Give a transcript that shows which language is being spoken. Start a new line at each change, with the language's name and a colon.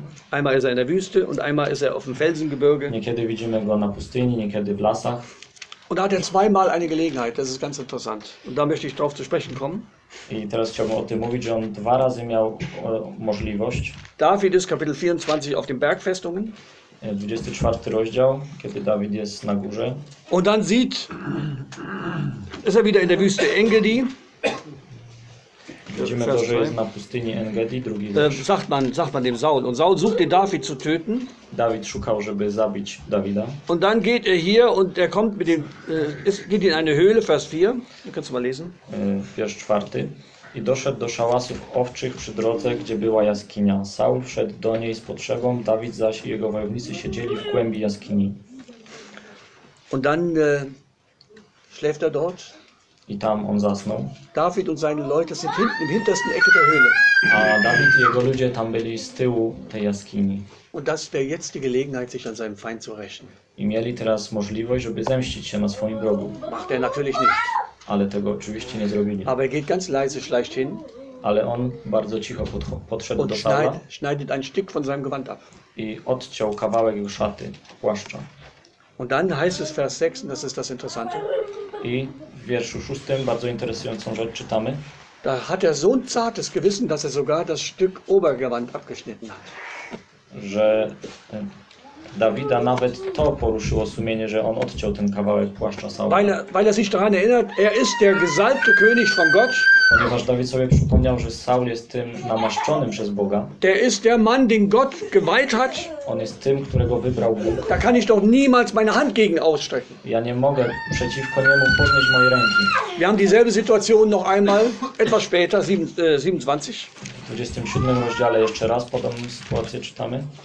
German: Einmal ist er in der Wüste und einmal ist er auf dem Felsengebirge.
Polish: Niekiedy widzimy go na pustyni, niekiedy w lasach.
German: Und da hat er zweimal eine Gelegenheit, das ist ganz interessant. Und da möchte ich drauf zu sprechen kommen.
Polish: I teraz chciałbym o tym mówić, że on dwa razy miał możliwość.
German: David ist Kapitel 24 auf den Bergfestungen.
Polish: 24 rozdział, kiedy David jest na górze.
German: Und dann sieht, ist er wieder in der Wüste Engedi.
Polish: Widzimy to, że jest na pustyni Engedi, drugi wiersz.
German: Sagt man dem Saul. Und Saul sucht den David zu töten.
Polish: David szukał, żeby zabić Dawida.
German: Und dann geht er hier und er kommt mit dem, geht in eine Höhle, Vers 4. Kannst du mal lesen.
Polish: Wiersz 4. I doszedł do szałasów owczych przy drodze, gdzie była jaskinia. Saul wszedł do niej z potrzebą, Dawid zaś i jego wojownicy siedzieli w głębi jaskini.
German: Und dann schläft er dort.
Polish: I tam on zasnął.
German: David und seine Leute sind hinten im hintersten Ecke der Höhle.
Polish: A David i jego ludzie tam byli z tyłu tej jaskini.
German: Und das wäre jetzt die Gelegenheit, sich an seinem Feind zu rächen.
Polish: I mieli teraz możliwość, żeby zemścić się na swoim wrogu.
German: Macht er natürlich nicht.
Polish: Ale tego oczywiście nie zrobili.
German: Aber er geht ganz leise, schleicht hin.
Polish: Ale on bardzo cicho podszedł do Saula.
German: Und schneidet ein Stück von seinem Gewand ab.
Polish: I odciął kawałek jego szaty, płaszcza.
German: Und dann heißt es Vers 6, und das ist das Interessante.
Polish: I w wierszu 6 bardzo interesującą rzecz czytamy.
German: Da hat er so ein zartes Gewissen, dass er sogar das Stück Obergewand abgeschnitten hat.
Polish: Że Dawida nawet to poruszyło sumienie, że on odciął ten kawałek płaszcza Saula.
German: Weil er sich daran erinnert, er ist der gesalbte König von Gott.
Polish: Ponieważ Dawid sobie przypomniał, że Saul jest tym namaszczonym przez Boga.
German: Der ist der Mann, den Gott geweiht hat.
Polish: On jest tym, którego wybrał Bóg.
German: Da kann ich doch niemals meine Hand gegen ausstrecken.
Polish: Ja nie mogę przeciwko niemu podnieść mojej ręki.
German: Wir haben dieselbe Situation noch einmal, etwas später, 27.
Polish: W 27 rozdziale jeszcze raz podobną sytuację czytamy.